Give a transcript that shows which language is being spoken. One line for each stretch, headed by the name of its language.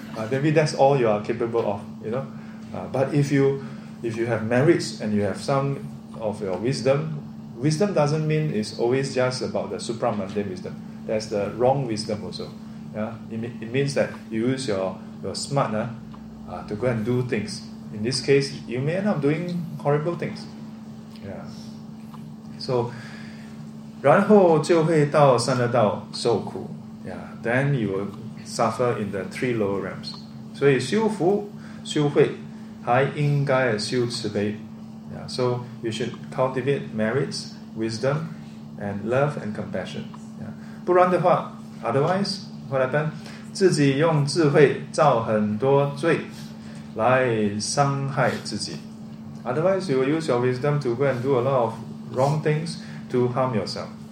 English: maybe that's all you are capable of. You know. But if you have merits and you have some of your wisdom, wisdom doesn't mean it's always just about the supramundane wisdom. That's the wrong wisdom also. Yeah? It means that you use your smart to go and do things. In this case, you may end up doing horrible things. Yeah.
Chinese: So, 然后就会到三恶道受苦。
English: Yeah. Then you will suffer in the three lower realms.
Chinese: 所以修福、修慧还应该修慈悲。
English: Yeah. So, you should cultivate merits, wisdom, and love and compassion. Yeah.
Chinese: 不然的话
English: otherwise, what happened?
Chinese: 自己用智慧造很多罪来伤害自己
English: Otherwise, you will use your wisdom to go and do a lot of wrong things to harm yourself.